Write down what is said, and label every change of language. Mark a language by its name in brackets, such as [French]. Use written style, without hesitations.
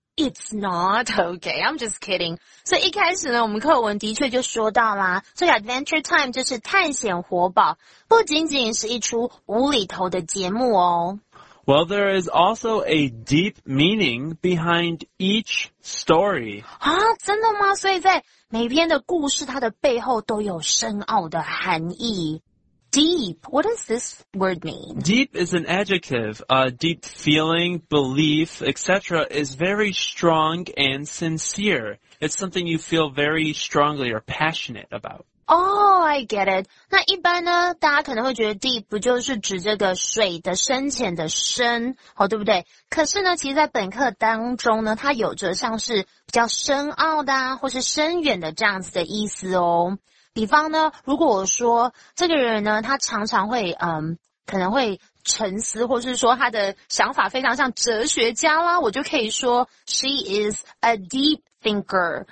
[English] It's not, okay, I'm just kidding. [Chinese] 所以一开始呢，我们课文的确就说到啦，所以 Adventure Time 就是探险活宝，不仅仅是一出无厘头的节目哦。 [English] Well, there is also a deep meaning behind each story. [Chinese] 啊，真的吗？所以在每篇的故事它的背后都有深奥的含义。 [English] Deep, what does this word mean? Deep is an adjective. Deep feeling, belief, etc. is very strong and sincere. It's something you feel very strongly or passionate about. Oh, I get it. [Chinese] 那一般呢，大家可能会觉得 deep 不就是指这个水的深浅的深，好，对不对？可是呢，其实在本课当中呢，它有着像是比较深奥的啊，或是深远的这样子的意思哦。比方呢，如果我说这个人呢，他常常会可能会沉思，或是说他的想法非常像哲学家啦，我就可以说 [English] she is a deep. Thinker.